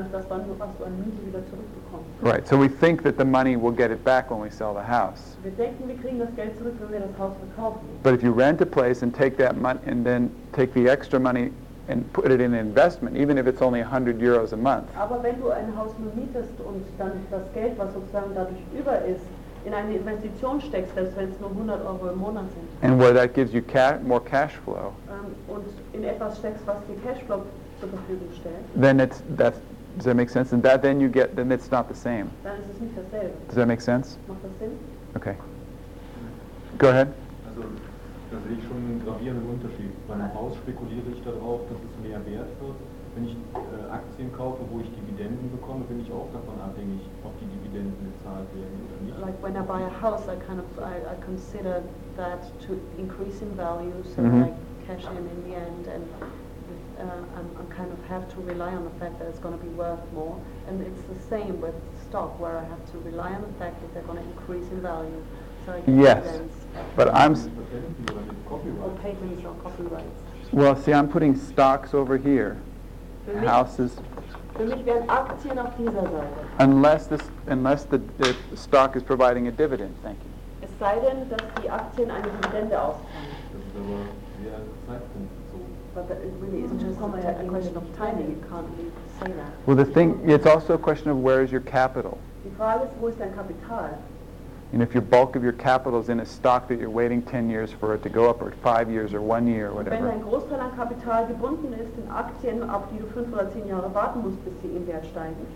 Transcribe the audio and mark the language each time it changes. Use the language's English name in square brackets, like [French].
[English] Right, so we think that the money will get it back when we sell the house. [German] Wir denken, wir kriegen das Geld zurück, wenn wir das Haus verkaufen. [English] But if you rent a place and take that money and then take the extra money and put it in an investment, even if it's only 100 euros a month. [German] Aber wenn du ein Haus nur mietest und dann das Geld, was sozusagen dadurch über ist, in eine Investition steckst, selbst wenn es nur 100 Euro im Monat sind. [English] And where that gives you more cash flow. [German] Und in etwas steckst, was dir cash flow zur Verfügung stellt. [English] Then it's that. Does that make sense? And that then you get, then it's not the same. [German] Dann ist es nicht dasselbe. [English] Does that make sense? [German] Macht das Sinn? [English] Okay. Go ahead. [German] Also, da sehe ich schon einen gravierenden Unterschied. Bei einem Haus spekuliere ich darauf, dass es mehr wert wird. Wenn ich Aktien kaufe, wo ich Dividenden bekomme, bin ich auch davon abhängig, ob die Dividenden gezahlt werden oder nicht. [English] Like when I buy a house, I consider that to increase in value, so mm-hmm. I cash in the end, and I kind of have to rely on the fact that it's going to be worth more. And it's the same with stock, where I have to rely on the fact that they're going to increase in value. So yes, but I'm or patents or copyrights. Well, see, I'm putting stocks over here. [German] Für [English] houses. [German] Für mich wären Aktien auf dieser Seite. [English] Unless the stock is providing a dividend, thank you. [German] Es sei denn, dass die Aktien eine Dividende auskommen. Das ist aber sehr zeitpunktbezogen. [English] But it really isn't just a question of timing. You can't really say that. Well, the thing, it's also a question of where is your capital. [German] Die Frage ist, wo ist dein Kapital? [English] And if your bulk of your capital is in a stock that you're waiting 10 years for it to go up, or 5 years, or 1 year, or whatever. [German] Wenn dein Großteil an Kapital gebunden ist in Aktien, auf die du 5 oder 10 Jahre warten musst, bis sie im Wert steigen.